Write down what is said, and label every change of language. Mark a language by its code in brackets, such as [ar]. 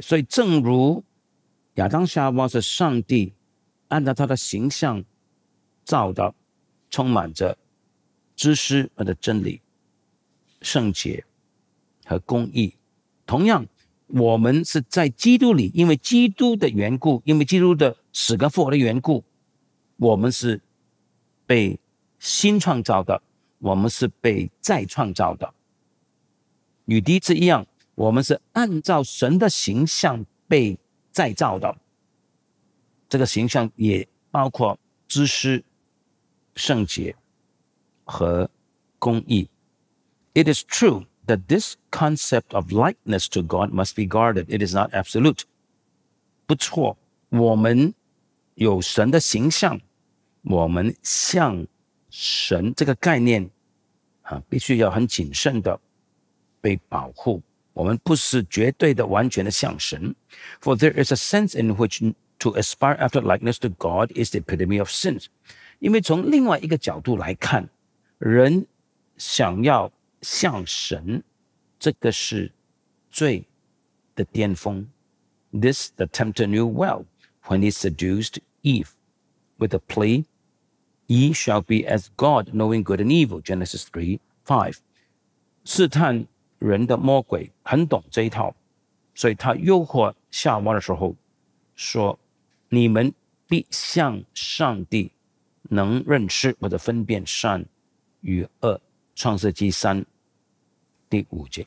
[zh] 所以正如亚当夏娃是上帝按照他的形象造的，充满着知识和真理、圣洁和公义，同样我们是在基督里，因为基督的缘故，因为基督的死跟复活的缘故，我们是被新创造的，我们是被再创造的。与第一次一样，我们是按照神的形象被再造的，这个形象也包括知识、圣洁和公义。 [en] It is true that this concept of likeness to God must be guarded. It is not absolute. [zh] 不错，我们有神的形象，我们像神，这个概念啊，必须要很谨慎的被保护。我们不是绝对的完全的像神。 [en] For there is a sense in which to aspire after likeness to God is the epitome of sin. [zh] 因为从另外一个角度来看，人想要像神，这个是罪的巅峰。 [en] This the tempter knew well when he seduced Eve with a plea, Ye shall be as God, knowing good and evil, Genesis 3:5. [zh] 试探人的魔鬼很懂这一套，所以他诱惑夏娃的时候说，你们必像上帝，能认识或者分辨善与恶，创世纪三第五节。